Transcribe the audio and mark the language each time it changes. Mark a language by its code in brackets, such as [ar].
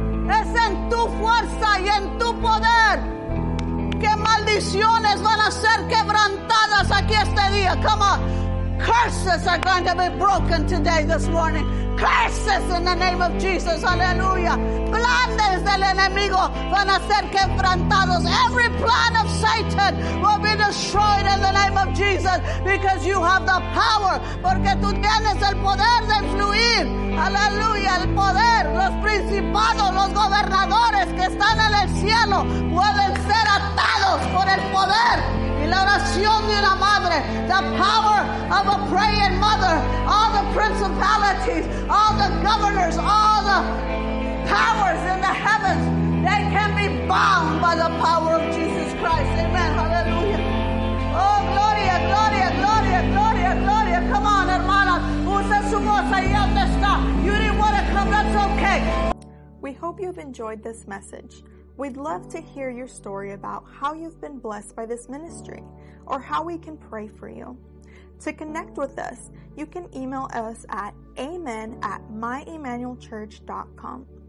[es] Es en tu fuerza y en tu poder. Que maldiciones van a ser quebrantadas aquí este día. [en] Come on. Curses are going to be broken today, this morning. Curses in the name of Jesus. Hallelujah. [es] Planes del enemigo van a ser quebrantados. [en] Every plan of Satan will be destroyed in the name of Jesus because you have the power. [es] Porque tú tienes el poder de influir. Hallelujah. El poder. Los principados, los gobernadores que están en el cielo pueden ser atados por el poder. La oración de una madre, [en] the power of a praying mother, all the principalities, all the governors, all the powers in the heavens, they can be bound by the power of Jesus Christ. Amen. Hallelujah. [es] Oh, gloria, gloria, gloria, gloria, gloria. [en] Come on, [es] hermana. Usa su voz ahí donde está. [en] You didn't want to come, that's okay. We hope you've enjoyed this message. We'd love to hear your story about how you've been blessed by this ministry or how we can pray for you. To connect with us, you can email us at amen@myemmanuelchurch.com.